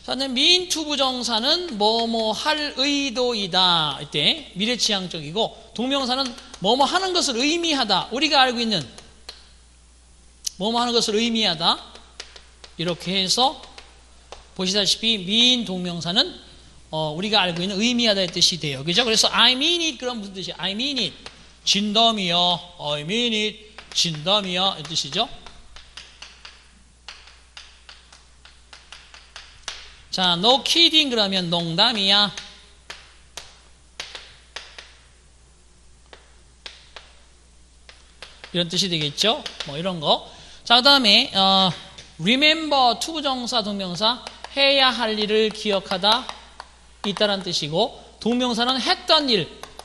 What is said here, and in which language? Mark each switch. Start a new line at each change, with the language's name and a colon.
Korean: 미인 투부정사는 뭐뭐 할 의도이다 이때 미래지향적이고 동명사는 뭐뭐 하는 것을 의미하다 우리가 알고 있는 뭐뭐 하는 것을 의미하다 이렇게 해서 보시다시피 미인 동명사는 우리가 알고 있는 의미하다의 뜻이 돼요. 그죠? 그래서
English: I mean it
Korean: 그럼 무슨 뜻이야?
English: I mean it
Korean: 진담이야 I mean it 진담이야 이 뜻이죠. 자,
English: no kidding
Korean: 그러면 농담이야. 이런 뜻이 되겠죠? 뭐 이런 거. 자, 그다음에 remember 투부정사 동명사 해야 할 일을 기억하다 있다라는 뜻이고 동명사는 했던 일.